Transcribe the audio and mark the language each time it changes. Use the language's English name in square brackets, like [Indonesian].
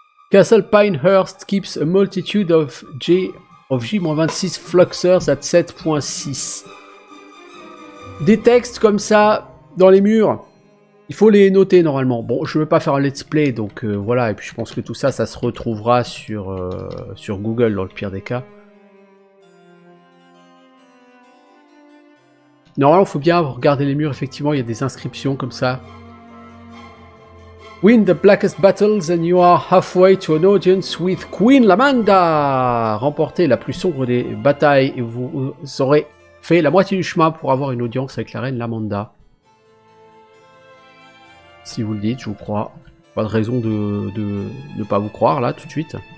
[English] Castle Pinehurst keeps a multitude of G-26 fluxers at 7.6. [French] Des textes comme ça dans les murs. Il faut les noter normalement. Bon, je ne veux pas faire un let's play, donc voilà. Et puis je pense que tout ça, ça se retrouvera sur Google dans le pire des cas. Normalement, il faut bien regarder les murs. Effectivement, il y a des inscriptions comme ça. [English] Win the blackest battles and you are halfway to an audience with Queen Lamanda. [French] Remportez la plus sombre des batailles et vous aurez fait la moitié du chemin pour avoir une audience avec la reine Lamanda. Si vous le dites, je vous crois. Pas de raison de ne pas vous croire, là, tout de suite.